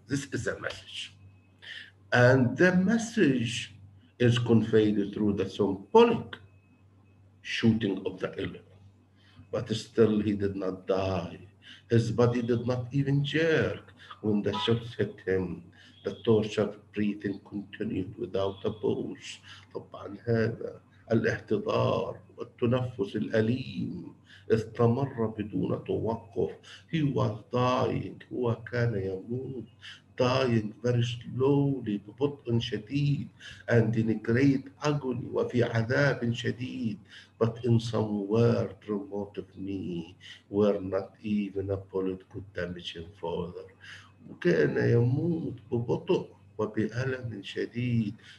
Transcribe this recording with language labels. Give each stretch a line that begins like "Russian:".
English: This is a message. And the message is conveyed through the symbolic shooting of the elephant. But still he did not die. His body did not even jerk when the shots hit him. The tortured breathing continued without a pause.
Arabic: طبعا هذا الاحتضار والتنفس الأليم استمر بدون توقف.
English: He was dying.
Arabic: هو كان يموت.
English: Dying very slowly
Arabic: ببطء شديد.
English: And in great agony.
Arabic: وفي عذاب شديد.
English: But in somewhere remote of me where not even a bullet could damage him further.
Arabic: وكان يموت ببطء وبألم شديد.